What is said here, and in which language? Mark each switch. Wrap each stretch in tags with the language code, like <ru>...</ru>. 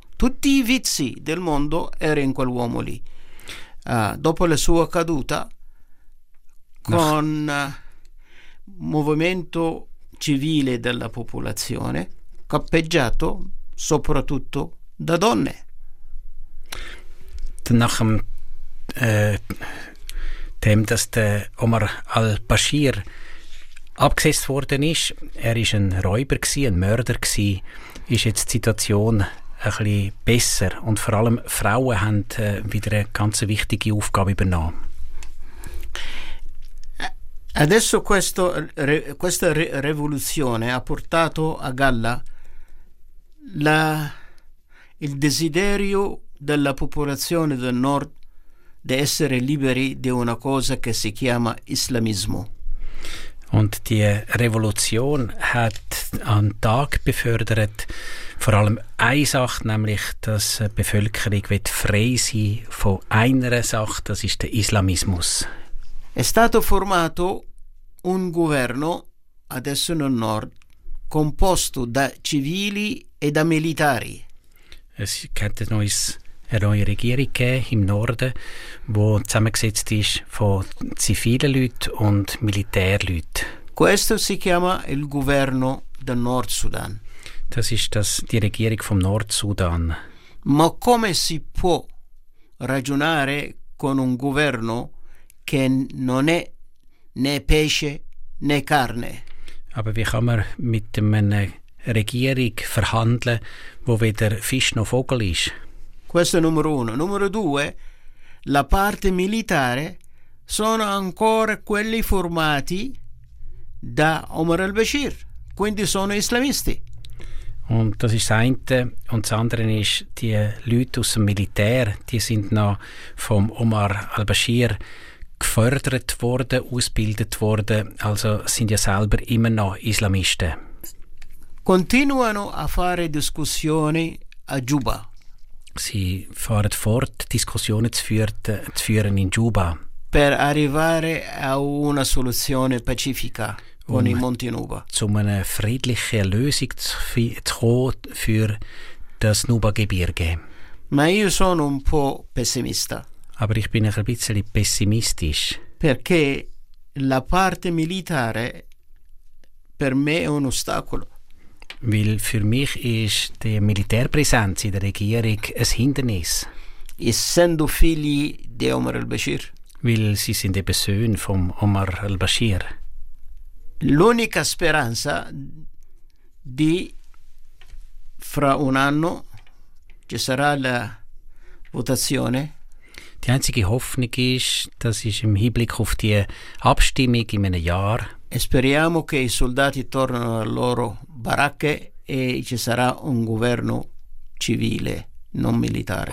<it>Tutti i vizi del mondo erano in quell'uomo lì. Dopo la sua caduta, con movimento civile della popolazione, cappeggiato soprattutto da donne.</it> <de>Nach dem dem, dass der Omar al-Bashir abgesetzt worden ist, er ist ein Räuber gsi, ein Mörder gsi, ist jetzt die Situation ein bisschen besser und vor allem Frauen haben wieder eine ganz wichtige Aufgabe übernommen.</de> <it>Adesso questa rivoluzione ha portato a galla il desiderio della popolazione del nord di essere liberi di una cosa che si chiama islamismo.</it> <de>Und die Revolution hat an Tag befördert vor allem eine Sache, nämlich dass die Bevölkerung wird frei sein von einer Sache, das ist der Islamismus.</de> <it>È stato formato un governo adesso nel nord composto da civili e da militari.</it> <de>Es gibt eine neue Regierung im Norden, wo zusammengesetzt ist von zivilen Leuten und Militärleuten.</de> <it>Questo si chiama il governo del Nord Sudan.</it> <de>Das ist die Regierung vom Nord Sudan.</de> <it>Ma come si può ragionare con un governo che non è né pesce né carne?</it> <de>Aber wie kann man mit einer Regierung verhandeln, wo weder Fisch noch Vogel ist?</de> <it>Questo è numero uno. Numero due, la parte militare sono ancora quelli formati da Omar al-Bashir, quindi sono islamisti.</it> <de>Und das ist das eine. Und das andere ist, die Leute aus dem Militär, die sind noch vom Omar al-Bashir gefördert worden, ausgebildet worden, also sind ja selber immer noch Islamisten.</de> <it>Continuano a fare discussioni a Juba.</it> <de>Sie fahren fort, Diskussionen zu führen in Juba.</de> <it>Per arrivare a una soluzione pacifica con i Monti Nuba.</it> <de>Zu einer friedlichen Lösung zu kommen für das Nuba-Gebirge.</de> <it>Ma io sono un po' pessimista.</it> <de>Aber ich bin ein bisschen pessimistisch.</de> <it>Perché la parte militare per me è un ostacolo.</it> <de>Weil für mich ist die Militärpräsenz in der Regierung ein Hindernis.</de> <it>Essendo figli di Omar al-Bashir.</it> <de>Weil sie sind eben Söhne von Omar al-Bashir.</de> <it>L'unica speranza di fra un anno ci sarà la votazione.</it> <de>Die einzige Hoffnung ist, das ist im Hinblick auf die Abstimmung in einem Jahr.</de> <it>E speriamo che i soldati tornano alle loro baracche e ci sarà un governo civile, non militare.</it>